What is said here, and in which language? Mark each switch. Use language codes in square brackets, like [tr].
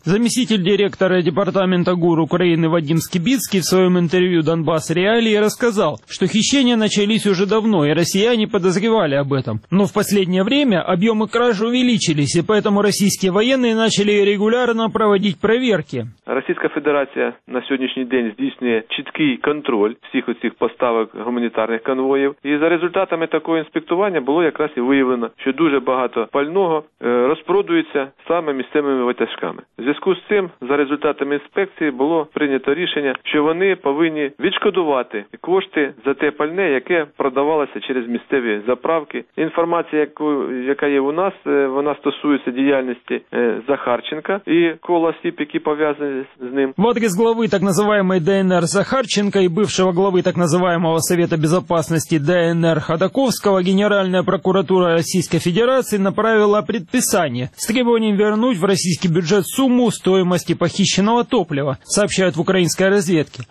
[ru] Заместитель директора департамента ГУР Украины Вадим Скибицкий в своем интервью «Донбасс Реалии» рассказал, что хищение на начались уже давно, и россияне подозревали об этом. Но в последнее время объемы краж увеличились, и поэтому российские военные начали регулярно проводить проверки. Российская Федерация на сегодняшний день [uk] здійснює чіткий контроль всіх оцих поставок гуманітарних конвоїв. І за результатами такого інспектування було якраз і виявлено, що дуже багато пального розпродується саме місцевими ватяжками. В зв'язку з цим, за результатами інспекції, було прийнято рішення, що вони повинні відшкодувати кошти за те пальне, яке продавалося через місцеві заправки. Інформація, яка є у нас, вона стосується діяльності Захарченка і кола осіб, які пов'язані. [ru] В адрес главы так называемой ДНР Захарченко и бывшего главы так называемого Совета Безопасности ДНР Ходаковского Генеральная прокуратура Российской Федерации направила предписание с требованием вернуть в российский бюджет сумму стоимости похищенного топлива, сообщают в украинской разведке.